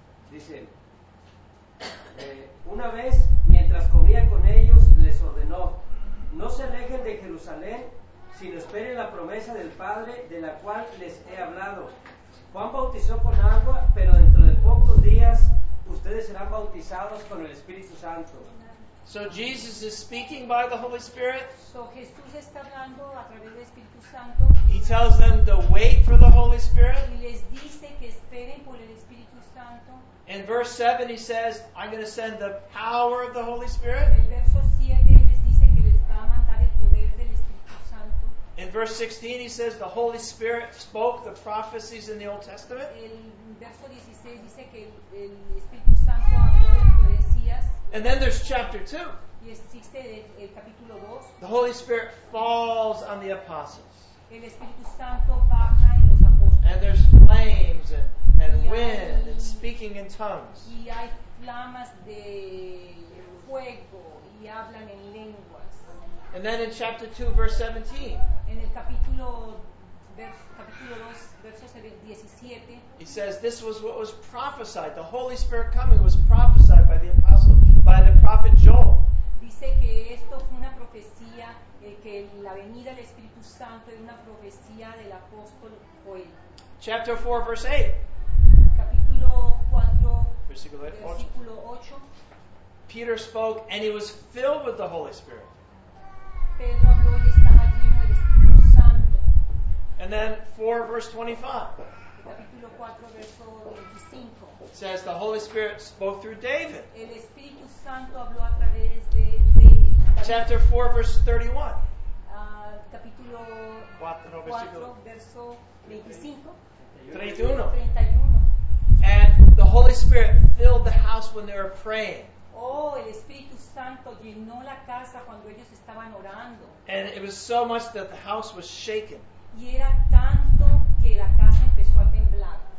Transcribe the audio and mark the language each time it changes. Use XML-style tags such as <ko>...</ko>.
<es>Dice, una vez, mientras comía con ellos, les ordenó, no se alejen de Jerusalén, sino esperen la promesa del Padre, de la cual les he hablado. Juan bautizó con agua, pero dentro de pocos días, ustedes serán bautizados con el Espíritu Santo.</es> <en>So Jesus is speaking by the Holy Spirit.</en> <es>So Jesús está hablando a través del Espíritu Santo.</es> <en>He tells them to wait for the Holy Spirit.</en> <es>Y les dice que esperen por el Espíritu Santo.</es> <en>In verse 7 he says, I'm going to send the power of the Holy Spirit.</en> <es>En el verso 7 les dice que les va a mandar el poder del Espíritu Santo.</es> <en>In verse 16 he says the Holy Spirit spoke the prophecies in the Old Testament.</en> <es>El verso 16 dice que el Espíritu Santo habló de profecías.</es> <en>And then there's chapter 2.</en> <es>Y existe el capítulo 2.</es> <en>The Holy Spirit falls on the apostles.</en> <es>El Espíritu Santo baja en los apóstoles.</es> <en>And there's flames and wind and speaking in tongues.</en> <es>Y hay flamas de fuego y hablan en lenguas.</es> <en>And then in chapter 2, verse 17.</en> <es>En el capítulo 2, verso 17.</es> <en>He says this was what was prophesied. The Holy Spirit coming was prophesied by the apostles. By the prophet Joel.</en> <es>Dice que esto fue una profecía, que la venida del Espíritu Santo es una profecía del apóstol Joel.</es> <en>Chapter 4, verse 8.</en> <es>Capítulo 4, versículo 8.</es> <en>Peter spoke and he was filled with the Holy Spirit.</en> <es>Pedro habló y estaba lleno del Espíritu Santo.</es> <en>And then 4, verse 25.</en> <es>Capítulo 4, verso 25.</es> <en>It says the Holy Spirit spoke through David.</en> <es>El Espíritu Santo habló a través de David.</es> <en>Chapter 4, verse 31.</en> <es>Capítulo 4, verso 25. 31.</es> <en>And the Holy Spirit filled the house when they were praying.</en> <es>Oh, el Espíritu Santo llenó la casa cuando ellos estaban orando.</es> <en>And it was so much that the house was shaken.</en> <es>Y era tanto que la casa empezó a temblar.</es>